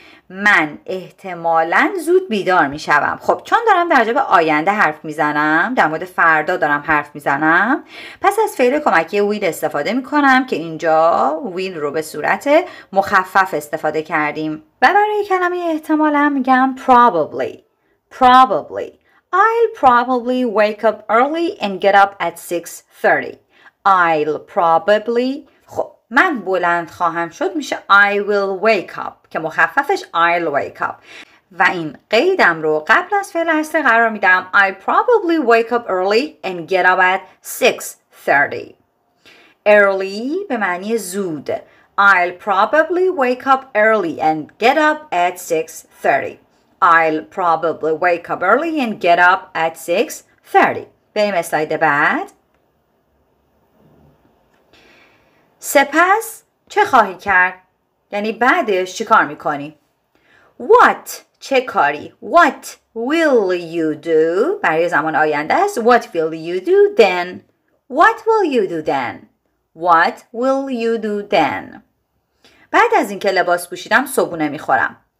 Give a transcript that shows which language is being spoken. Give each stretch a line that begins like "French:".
Persian: من احتمالاً زود بیدار میشوم. خب چون دارم در جواب آینده حرف میزنم، در مورد فردا دارم حرف میزنم، پس از فعل کمکی will استفاده میکنم که اینجا will رو به صورت مخفف استفاده کردیم. و برای کلمه احتمالاً میگم probably.
English: probably. I'll probably wake up early and get up at 6:30. I'll probably.
Persian: خب من بلند خواهم شد میشه
English: I will wake up
Persian: که مخففش
English: I'll wake up.
Persian: و این قیدم رو قبل از فعل اصل قرار میدم.
English: I'll probably wake up early and get up at 6:30.
Persian: Early به معنی زود.
English: I'll probably wake up early and get up at 6:30. I'll probably wake up early and get up at 6:30.
Persian: بریم اسلاید بعد. سپس چه خواهی کرد؟ یعنی بعدش چی کار میکنی؟ What چه کاری؟
English: What will you do؟
Persian: برای زمان آینده است.
English: What will you do then؟ What will you do then؟ What will you do then؟
Persian: بعد از اینکه لباس پوشیدم صبحونه میخورم.